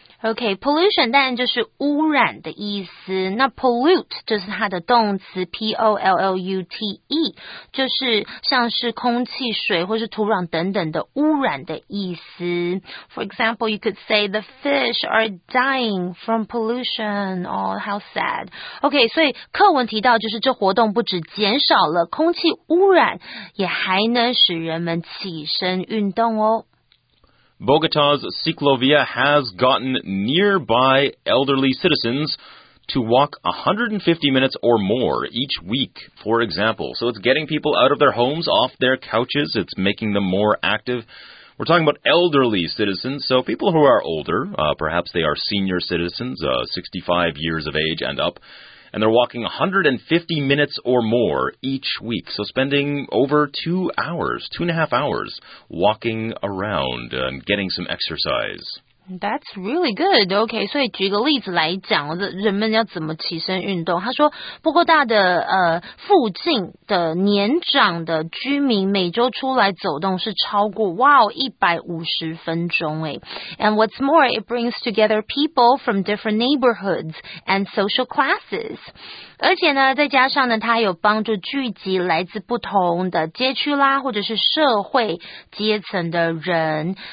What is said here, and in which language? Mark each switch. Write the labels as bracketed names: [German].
[Chinese] Okay, pollution 当然就是污染的意思，那 pollute 就是它的动词 P-O-L-L-U-T-E, 就是像是空气、水或是土壤等等的污染的意思。 [English] For example, you could say the fish are dying from pollution. Oh, how sad. [Chinese] Okay, 所以课文提到就是这活动不止减少了空气污染，也还能使人们起身运动哦。 [English] Bogota's Ciclovia has gotten nearby elderly citizens to walk 150 minutes or more each week, for example. So it's getting people out of their homes, off their couches, it's making them more active. We're talking about elderly citizens, so people who are older, perhaps they are senior citizens, 65 years of age and up, and they're walking 150 minutes or more each week, so spending over 2 hours, 2.5 hours, walking around and getting some exercise. That's really good. [Chinese] Okay, 所以举个例子来讲，人们要怎么起身运动？他说，波哥大的附近的年长的居民每周出来走动是超过哇哦150分钟哎。 [English] And what's more, it brings together people from different neighborhoods and social classes. [Chinese] 而且呢，再加上呢，它还有帮助聚集来自不同的街区啦，或者是社会阶层的人。